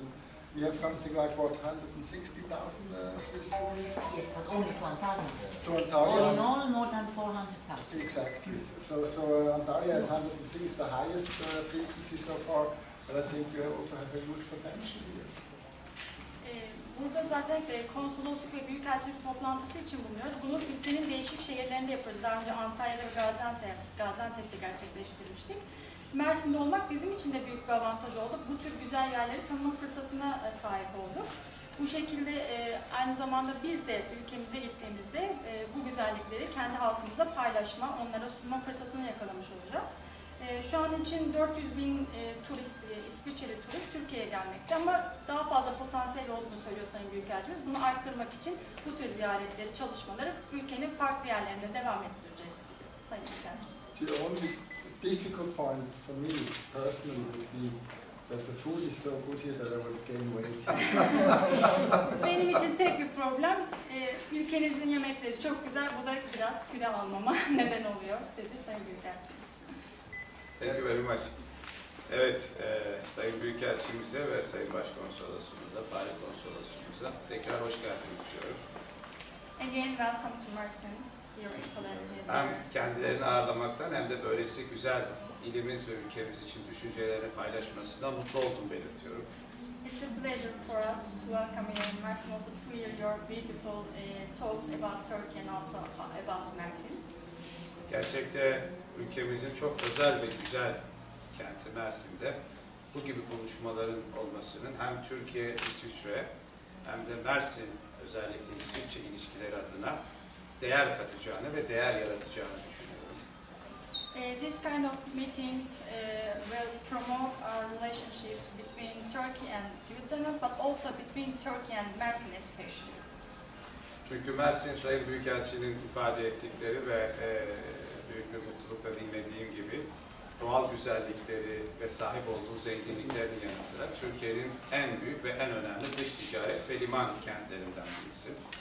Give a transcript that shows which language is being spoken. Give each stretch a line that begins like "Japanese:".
English: And we have something like, what, 160,000 Swiss tourists? Yes, but only to Antalya. To Antalya. All in all, more than 400,000. Exactly. So Antalya is 160, is the highest frequency so far. But I think you also have a huge potential here.
Turkish: Burada zaten konsolosluk ve büyükelçilik toplantısı için bulunuyoruz. Bunu ülkenin değişik şehirlerinde yapıyoruz. Daha önce Antalya'da ve Gaziantep'te gerçekleştirmiştik. Mersin'de olmak bizim için de büyük bir avantaj oldu. Bu tür güzel yerleri tanıma fırsatına sahip olduk. Bu şekilde aynı zamanda biz de ülkemize gittiğimizde bu güzellikleri kendi halkımıza paylaşma, onlara sunma fırsatını yakalamış olacağız. Şu an için 400 bin İsviçreli turist Türkiye'ye gelmekte ama daha fazla potansiyel olduğunu söylüyor Sayın Büyükelçimiz. Bunu arttırmak için bu tür ziyaretleri, çalışmaları ülkenin farklı yerlerinde devam ettireceğiz Sayın Büyükelçimiz.
English: Difficult point for me personally would be that the food is so good here that I would gain weight.
Turkish: Benim için tek bir problem ülkenizin yemekleri çok güzel, bu da biraz kilo almama neden oluyor dedi Sayın Büyükelçimiz.
English: Thank you very much.
Turkish: Evet, Sayın Büyükelçimize ve Sayın Başkonsolosumuza, Fahri Konsolosumuza tekrar hoş geldiniz diyorum.
English: Again, welcome to Mersin.
Turkish: Hem kendilerini ağırlamaktan hem de böylesi güzel ilimiz ve ülkemiz için düşüncelerini paylaşmasına mutlu oldum belirtiyorum.
English: It's a pleasure for us to welcome you in Mersin, also to hear your beautiful talks about Turkey and also about Mersin.
Turkish: Gerçekte ülkemizin çok özel ve güzel kenti Mersin'de bu gibi konuşmaların olmasının hem Türkiye, İsviçre hem de Mersin özellikle İsviçre ilişkileri adına değer katacağını ve değer yaratacağını düşünüyorum.
English: This kind of meetings will promote our relationships between Turkey and Switzerland, but also between Turkey and Mersin especially.
Turkish: Çünkü Mersin Sayın Büyükelçinin ifade ettikleri ve büyük bir mutlulukla dinlediğim gibi doğal güzellikleri ve sahip olduğu zenginliklerin yanı sıra Türkiye'nin en büyük ve en önemli dış ticaret ve liman kentlerinden birisi.